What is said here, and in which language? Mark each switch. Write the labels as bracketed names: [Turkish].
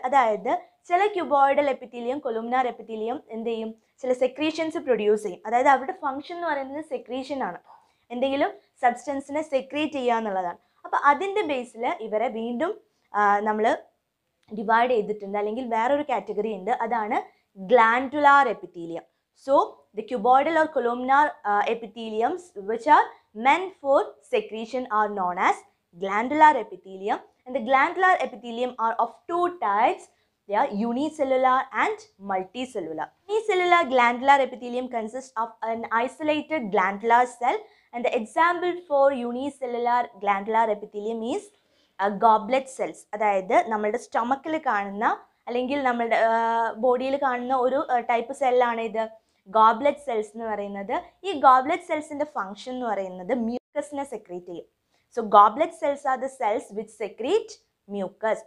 [Malayalam] അതായത് ചില cuboidal epithelium കൊലൂംനാർ epithelium എന്ത് ചെയ്യും, ചില സെക്രീഷൻസ് പ്രൊഡ്യൂസ് ചെയ്യും. അതായത് അവരുടെ ഫംഗ്ഷൻ എന്ന് പറയുന്നത് സെക്രീഷൻ ആണ്, എന്തെങ്കിലും സബ്സ്റ്റൻസിനെ സെക്രീറ്റ് ചെയ്യുക എന്നുള്ളതാണ്. അപ്പോൾ അതിൻ്റെ ബേസിൽ ഇവരെ വീണ്ടും നമ്മൾ ഡിവൈഡ് ചെയ്തിട്ടുണ്ട്, അല്ലെങ്കിൽ വേറൊരു കാറ്റഗറി ഉണ്ട്, അതാണ് glandular epithelium. [English] So the cuboidal or columnar epitheliums which are meant for secretion are known as glandular epithelium, and the glandular epithelium are of two types, they are unicellular and multicellular. Unicellular glandular epithelium consists of an isolated glandular cell, and the example for unicellular glandular epithelium is goblet cells. [Malayalam] അതായത് നമ്മുടെ സ്റ്റമക്കിൽ കാണുന്ന അല്ലെങ്കിൽ നമ്മുടെ ബോഡിയിൽ കാണുന്ന ഒരു type സെല്ലാണ് ഇത്, goblet cells എന്ന് പറയുന്നത്. ഈ ഗോബ്ലെറ്റ് സെൽസിൻ്റെ ഫംഗ്ഷൻ എന്ന് പറയുന്നത് മ്യൂക്കസിനെ സെക്രീറ്റ് ചെയ്യും. [English] So goblet cells are the cells which secrete mucus.